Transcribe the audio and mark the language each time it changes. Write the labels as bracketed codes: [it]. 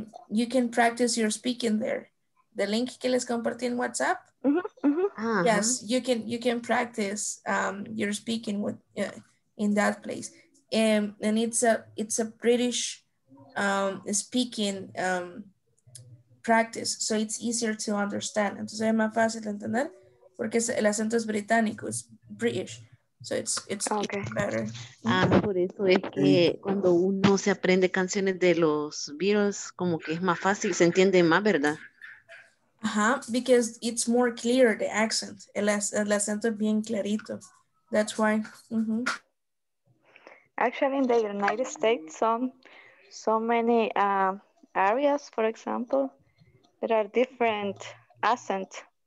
[en] You can practice your speaking there. The link [es] que les compartí en WhatsApp. Mm-hmm, mm-hmm. Uh-huh. [en] Yes, you can practice your speaking with in that place. And it's a British speaking practice, so it's easier to understand. [es] Entonces es más fácil entender porque el acento es británico, es British. [en] So it's okay. Better. [es] Ah, por eso es que cuando uno se aprende canciones de los Beatles, como que es más fácil, se entiende más, ¿verdad? [en] Ajá, uh-huh, because it's more clear, the accent. [es] El acento es bien clarito. [en] That's why. [es] Mm-hmm. [en] Actually, in the United States, so many areas, for example, there are different accents.